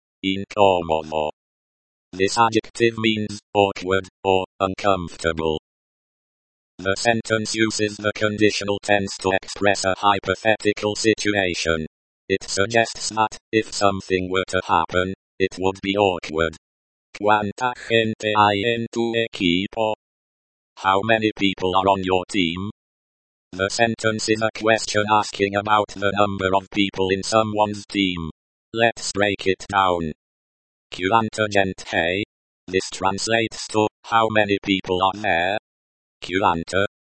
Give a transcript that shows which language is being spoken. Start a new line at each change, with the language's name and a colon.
English: Incómodo. This adjective means awkward or uncomfortable. The sentence uses the conditional tense to express a hypothetical situation. It suggests that, if something were to happen, it would be awkward.
Spanish: ¿Cuánta gente hay en tu equipo?
English: How many people are on your team? The sentence is a question asking about the number of people in someone's team. Let's break it down.
Spanish: ¿Cuánta gente hay?
English: This translates to, how many people are there? Cuanta.